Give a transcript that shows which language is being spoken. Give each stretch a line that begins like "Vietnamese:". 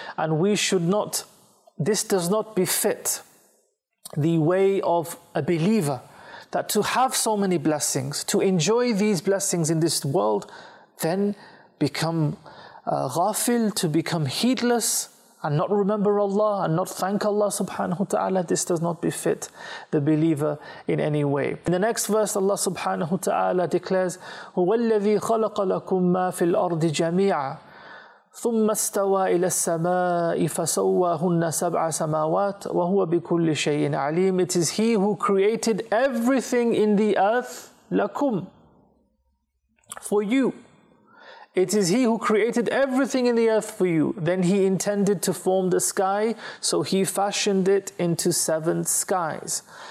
English: And we should not, this does not befit the way of a believer, that to have so many blessings, to enjoy these blessings in this world, then become ghafil, to become heedless, and not remember Allah, and not thank Allah subhanahu wa ta'ala. This does not befit the believer in any way. In the next verse, Allah subhanahu wa ta'ala declares,
Arabic: هُوَ الَّذِي خَلَقَ لَكُمْ مَا فِي الْأَرْضِ جَمِيعًا ثُمَّ اسْتَوَى إِلَى السَّمَاءِ فَسَوَّاهُنَّ سَبْعَ سَمَاوَاتٍ وَهُوَ بِكُلِّ شَيْءٍ عَلِيمٍ.
English: It is He who created everything in the earth, لَكُمْ, for you. It is He who created everything in the earth for you. Then He intended to form the sky, so He fashioned it into seven skies.